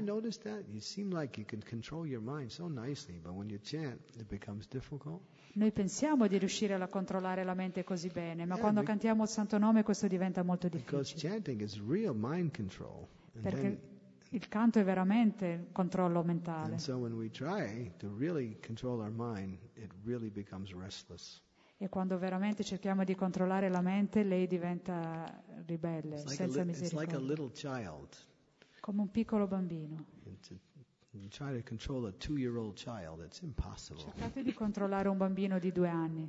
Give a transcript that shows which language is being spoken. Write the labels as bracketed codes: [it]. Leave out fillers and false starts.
[en] Did you notice that? You seem like you can control your mind so nicely, but when you chant it becomes difficult. [it] Noi pensiamo di riuscire a controllare la mente così bene, ma quando cantiamo il santo nome questo diventa molto difficile. [en] Because chanting is real mind control. [it] Perché il canto è veramente controllo mentale. [en] And so when we try to really control our mind, it really becomes restless. [it] E quando veramente cerchiamo di controllare la mente, lei diventa ribelle, senza misericordia. [en] It's like a little child. [it] Come un piccolo bambino. [en] It's a Try to control a 2-year-old child. It's impossible. [it] Cercate di controllare un bambino di due anni.